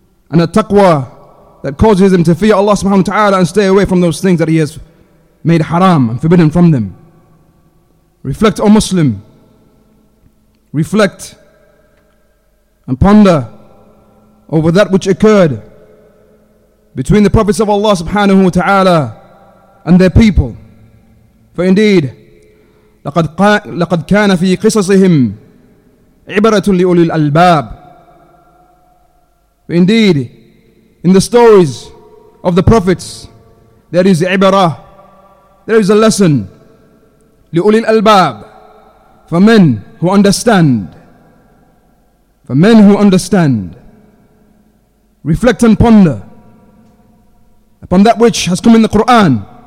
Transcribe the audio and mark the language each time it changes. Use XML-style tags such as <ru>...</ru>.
<en>And a taqwa that causes them to fear Allah subhanahu wa ta'ala and stay away from those things that he has made haram and forbidden from them. Reflect, O Muslim. Reflect and ponder over that which occurred between the prophets of Allah subhanahu wa ta'ala and their people. For indeed,</en> <ar>لقد كان في قصصهم عبرة لأولي الألباب.</ar> <en>Indeed, in the stories of the prophets, there is عبره, there is a lesson</en> <ar>لأولي الألباب,</ar> <en>for men who understand. For men who understand, reflect and ponder upon that which has come in the Quran.</en>